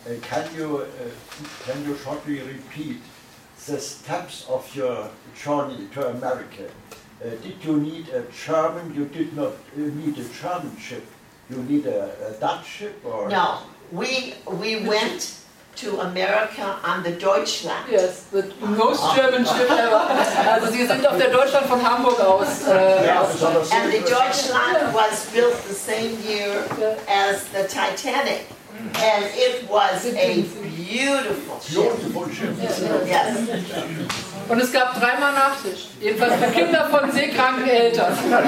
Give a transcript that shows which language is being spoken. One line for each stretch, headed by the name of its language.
English: Can you shortly repeat the steps of your journey to America? Did you need a German? You did not need a German ship. You need a Dutch ship? Or? No, we went to America on the Deutschland. Yes, the most German ship ever.
German: Also Sie sind auf der Deutschland von Hamburg aus.
English: And the Deutschland was built the same year as the Titanic. And it was a beautiful ship. Yes.
German: Und es gab dreimal Nachtisch. Jedenfalls für Kinder von seekranken Eltern.